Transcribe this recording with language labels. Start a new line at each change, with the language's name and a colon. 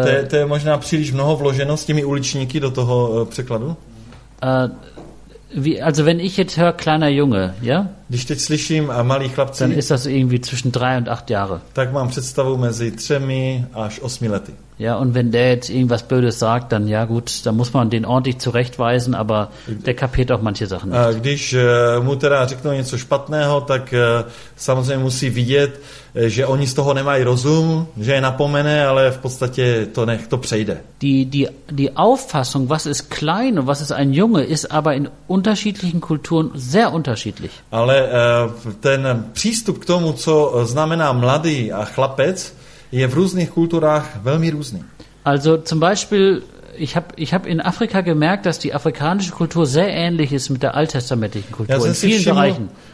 Czech: To je možná příliš mnoho vloženo s těmi uličníky do toho překladu.
German: Also wenn ich jetzt höre kleiner Junge, ja?
Czech: Když teď slyším a malý chlapci,
German: dann ist das irgendwie zwischen 3 und 8 Jahre.
Czech: Tak mám představu mezi 3 až 8 lety.
German: Ja, und wenn der jetzt irgendwas Blödes sagt, dann ja gut, da muss man den ordentlich zurechtweisen, aber der kapiert auch manche Sachen nicht.
Czech: Když mu teda řeknou něco špatného, tak samozřejmě musí vidět, že oni z toho nemají rozum, že je napomene, ale v podstatě to přejde.
German: Die Auffassung, was ist klein und was ist ein Junge, ist aber in unterschiedlichen Kulturen sehr unterschiedlich.
Czech: Ale ten přístup k tomu, co znamená mladý a chlapec, je v různých kulturách velmi různý.
German: Also zum Beispiel, ich hab in Afrika gemerkt, dass die afrikanische Kultur sehr ähnlich ist mit der alttestamentlichen Kultur in vielen Bereichen.